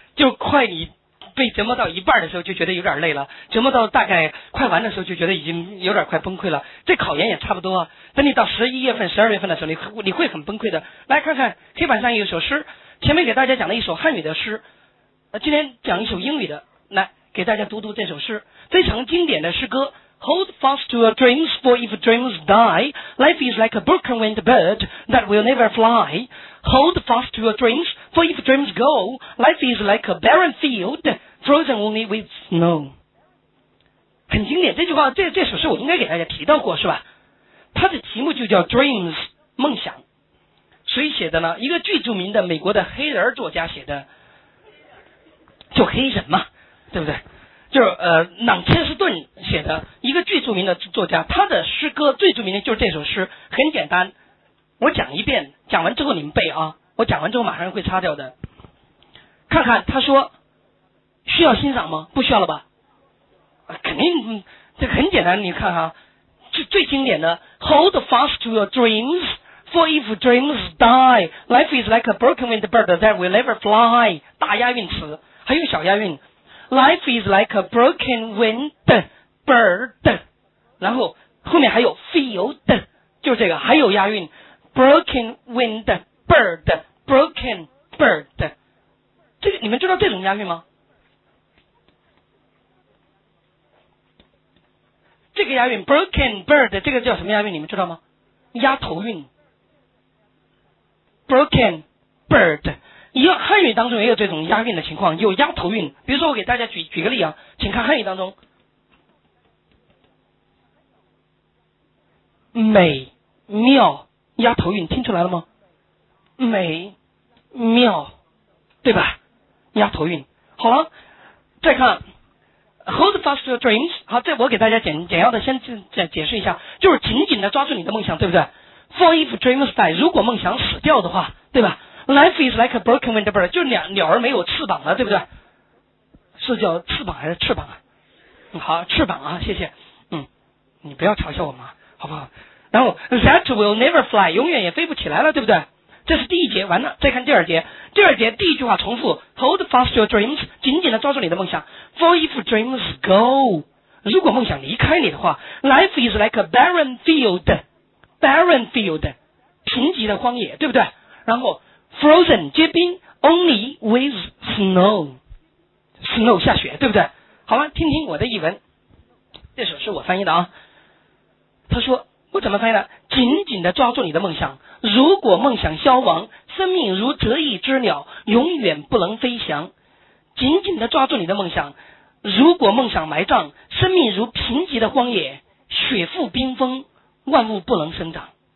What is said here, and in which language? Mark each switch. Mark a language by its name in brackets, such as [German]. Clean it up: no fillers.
[Chinese] 就快你被折磨到一半的时候就觉得有点累了，折磨到大概快完的时候就觉得已经有点快崩溃了。这考研也差不多，等你到11月份、12月份的时候，你会很崩溃的。来看看黑板上有一首诗，前面给大家讲了一首汉语的诗，今天讲一首英语的，来给大家读读这首诗，非常经典的诗歌。 [English] Hold fast to your dreams, for if dreams die, life is like a broken winged bird that will never fly. Hold fast to your dreams, for if dreams go, life is like a barren field frozen only with snow. [Chinese] 很经典，这句话这首诗我应该给大家提到过是吧？它的题目就叫 Dreams, 梦想。谁写的呢？一个最著名的美国的黑人作家写的，就黑人嘛，对不对？就是朗切斯顿写的，一个最著名的作家，他的诗歌最著名的就是这首诗。很简单，我讲一遍，讲完之后你们背啊，我讲完之后马上会擦掉的。看看他说，需要欣赏吗？不需要了吧？肯定，这很简单，你看哈，最经典的 [English] ，Hold fast to your dreams, for if dreams die, life is like a broken winged bird that will never fly。 [Chinese] 大押韵词，还有小押韵。 [English] Life is like a broken winged bird， [Chinese] 然后后面还有 field， 就这个还有押韵 ， [English] broken winged bird，broken bird， [Chinese] 这个你们知道这种押韵吗？这个押韵 [English] broken bird， [Chinese] 这个叫什么押韵？你们知道吗？押头韵 ， [English] broken bird。 [Chinese] 汉语当中也有这种押韵的情况，有押头韵。比如说我给大家举个例啊，请看汉语当中，美妙押头韵，听出来了吗？美妙，对吧？押头韵。好了，再看 [English] Hold fast your dreams。 [Chinese] 好，这我给大家简要的先解释一下，就是紧紧的抓住你的梦想，对不对？ [English] For if dreams die， [Chinese] 如果梦想死掉的话，对吧？ [English] Life is like a broken winged bird， [Chinese] 就是鸟儿没有翅膀了，对不对？是叫翅膀还是翅膀啊？好，翅膀啊，谢谢。你不要嘲笑我嘛，好不好？然后 [English] that will never fly， [Chinese] 永远也飞不起来了，对不对？这是第一节完了，再看第二节。第二节第一句话重复 ， [English] Hold fast your dreams， [Chinese] 紧紧的抓住你的梦想。 [English] For if dreams go， [Chinese] 如果梦想离开你的话 ， [English] life is like a barren field， [Chinese] barren field， 贫瘠的荒野，对不对？然后。 Frozen 结冰 ， [English] only with snow [Chinese] 下雪，对不对？好了，听听我的译文，这首是我翻译的啊。他说我怎么翻译的？紧紧的抓住你的梦想，如果梦想消亡，生命如折翼之鸟，永远不能飞翔。紧紧的抓住你的梦想，如果梦想埋葬，生命如贫瘠的荒野，雪覆冰封，万物不能生长。